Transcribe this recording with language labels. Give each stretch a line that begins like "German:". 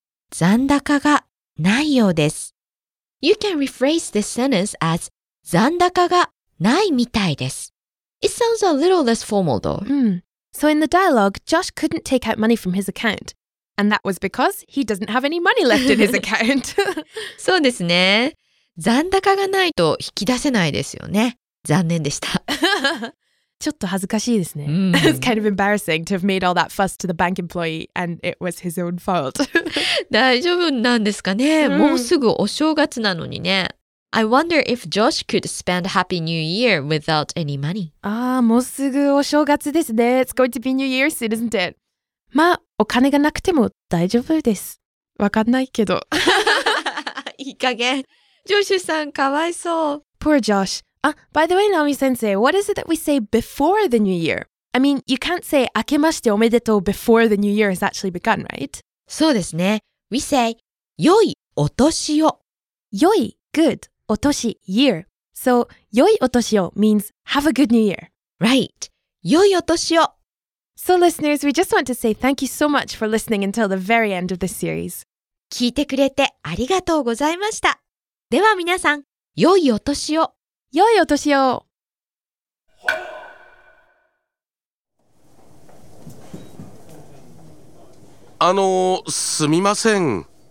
English: You can rephrase this sentence as
Japanese: 残高がないみたいです。
English: It sounds a little less formal though. So in the dialogue, Josh couldn't take out money from his account. And that was because he doesn't have any money left in his account.
Japanese: そうですね。残高がないと引き出せないですよね。残念でした。ちょっと恥ずかしいですね。
English: It's kind of embarrassing to have made all that fuss to the bank employee and it was his own fault.
Japanese: 大丈夫なんですかね。もうすぐお正月なのにね。
English: I wonder if Josh could spend Happy New Year without any money.
Japanese: Ah, もうすぐお正月ですね。
English: It's going to be New Year soon, isn't it?
Japanese: まあ、お金がなくても大丈夫です。わかんないけど。いい加減。ジョシュさん、かわいそう。
English: Poor Josh. Ah, by the way, Naomi-sensei, what is it that we say before the New Year? I mean, you can't say
Japanese: 明けましておめでとう
English: before the New Year has actually begun, right?
Japanese: そうですね。
English: We say
Japanese: 良いお年を。
English: 良い、good. お年 year. So,
Japanese: 良いお年を
English: means have a good new year.
Japanese: Right. 良いお年を。
English: So, listeners, we just want to say thank you so much for listening until the very end of this series.
Japanese: 聞いてくれてありがとうございました。では皆さん、良いお年を。良いお年を。すみません。